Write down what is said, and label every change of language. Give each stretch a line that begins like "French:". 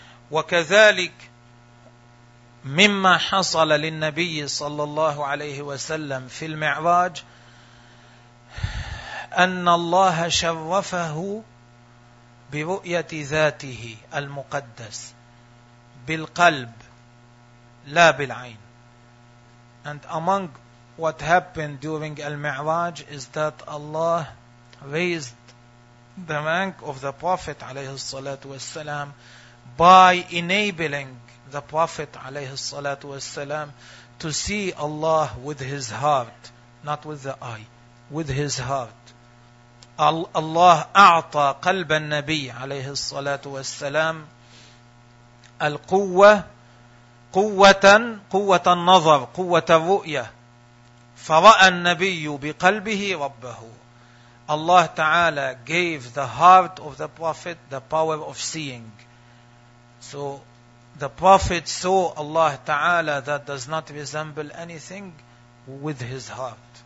Arabic: وكذلك مما حصل للنبي صلى الله عليه وسلم في المعراج أن الله شرفه برؤية ذاته المقدس بالقلب لا بالعين.
English: And among what happened during المعراج is that Allah raised the rank of the Prophet
Arabic: عليه الصلاة والسلام
English: by enabling the Prophet عليه الصلاة والسلام to see Allah with his heart, not with the eye, with his heart.
Arabic: Allah أعطى قلب النبي عليه الصلاة والسلام القوة, قوة النظر, قوة الرؤية. فرأى النبي بقلبه ربه.
English: Allah تعالى gave the heart of the Prophet the power of seeing. So the Prophet saw Allah Ta'ala that does not resemble anything with his heart.